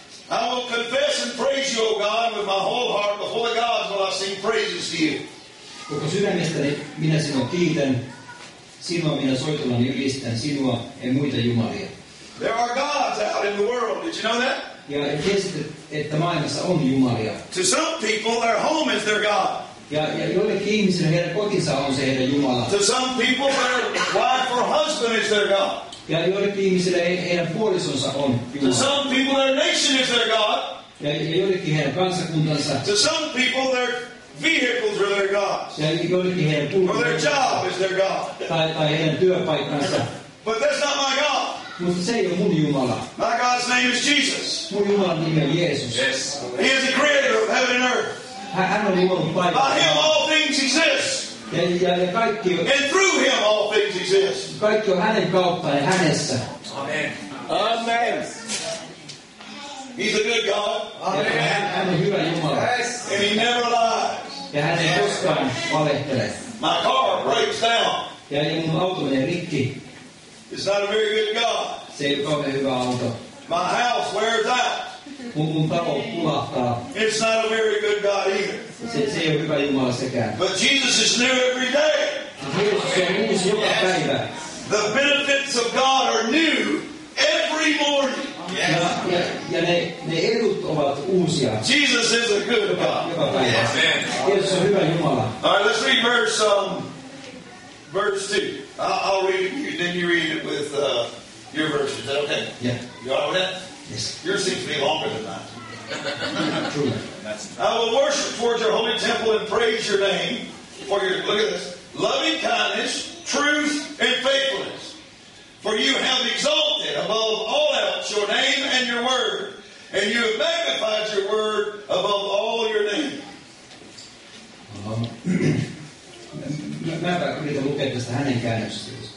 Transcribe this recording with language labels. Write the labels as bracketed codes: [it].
[en] I will confess and praise you, O God, with my whole heart, the Holy God, while I sing praises to you. [fi] Koko sydämestäni minä sinua kiitän, sinua minä soitollani ylistän, sinua ja muita jumalia. [en] There are gods out in the world, did you know that? [fi] Ja tiesit, että maailmassa on jumalia. [en] To some people their home is their god. [fi] Ja joillekin ihmisille heidän kotinsa on se heidän jumala. [en] To some people their wife or husband is their god. [fi] Ja joillekin ihmisille heidän puolisonsa on jumala. [en] To some people their nation is their god. [fi] Ja joillekin heidän kansakuntansa. [en] To some people their vehicles are their gods. Yeah, you go to their or their job is their god. But that's not my god. [fi] Mutta se ei ole mun jumala. [en] My God's name is Jesus. [fi] Mun Jumalan nimi on Jeesus. [en] Yes. He is the creator of heaven and earth. [fi] Hän on Jumalan paikka. [en] By him all things exist. [fi] Ja kaikki on. [en] And through him all things exist. [fi] Kaikki on hänen kautta ja hänessä. [en] Amen. Amen. He's a good God. [fi] Amen. Hän on hyvä Jumala. [en] Yes. And he never lies. [fi] Ja hän ei koskaan valehtele. [en] My car breaks down. [fi] Ja mun auto menee rikki. [en] It's not a very good God. [fi] Se ei ole hyvä auto. [en] My house wears out. [fi] Mun talo pulahtaa. [en] It's not a very good God either. [fi] Se ei ole hyvä Jumala sekään. [en] But Jesus is new every day. [fi] Jeesus on uusi joka päivä. [en] The benefits of God are new every morning. [fi] Ja ne edut ovat uusia. [en] Jesus is a good God. Yes, [fi] Jeesus on hyvä Jumala. [en] All right, let's read verse 2. I'll read it, then you read it with your version. Is that okay? Yeah. You all right with that? Yes. Yours seems to be longer than mine. True. I will worship towards your holy temple and praise your name for your, look at this, loving kindness, truth, and faithfulness. For you have exalted above all else your name and your word, and you have magnified your word above all your name. [fi] Mäpä yritän lukea tästä hänen käännöksestä.